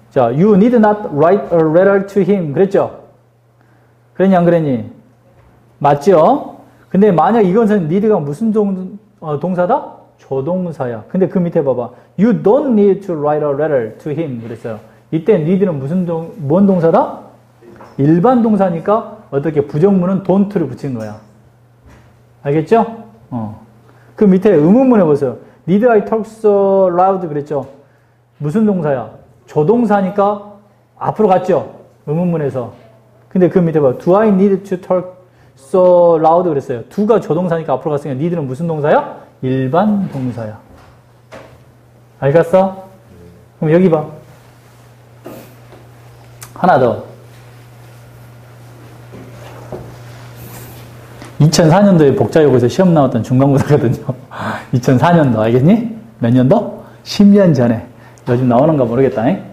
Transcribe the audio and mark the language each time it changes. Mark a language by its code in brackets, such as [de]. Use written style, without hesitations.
[en] 자, You need not write a letter to him. [ko] 그랬죠? 그랬니 안 그랬니? 맞죠? 근데 만약 이것은 need가 무슨 동사다? 조동사야. 근데 그 밑에 봐봐. [en] You don't need to write a letter to him. [ko] 그랬어요. 이때 need는 무슨 뭔 동사다? 일반 동사니까 어떻게 부정문은 don't를 붙인 거야. 알겠죠? 그 밑에 의문문에 보세요. [en] Need I talk so loud? [ko] 그랬죠? 무슨 동사야? 조동사니까 앞으로 갔죠? 의문문에서. 근데 그 밑에 봐요. [en] Do I need to talk so loud? [ko] 그랬어요. 두가 조동사니까 앞으로 갔으니까 need는 무슨 동사야? 일반 동사야. 알겠어? 그럼 여기 봐. 하나 더. 2004년도에 복자여고에서 시험 나왔던 중간고사거든요. 2004년도, 알겠니? 몇 년도? 10년 전에. 요즘 나오는가 모르겠다.